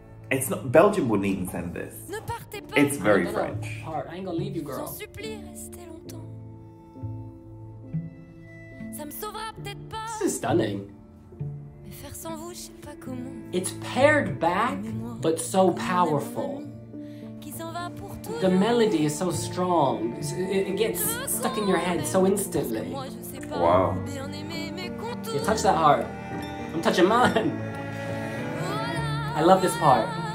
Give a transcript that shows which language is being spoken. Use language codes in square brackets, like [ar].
[en] It's not, Belgium wouldn't even send this. It's very French. Heart. I ain't gonna leave you, girl. [fr] J'en supplie, restez longtemps. Ça me sauvera peut-être pas. [en] This is stunning. [fr] Mais faire sans vous, je sais pas comment. [en] It's paired back, but so powerful. [fr] Qui s'en va pour tout. [en] The melody is so strong. It gets stuck in your head so instantly. Wow. You touch that heart. I'm touching mine. I love this part.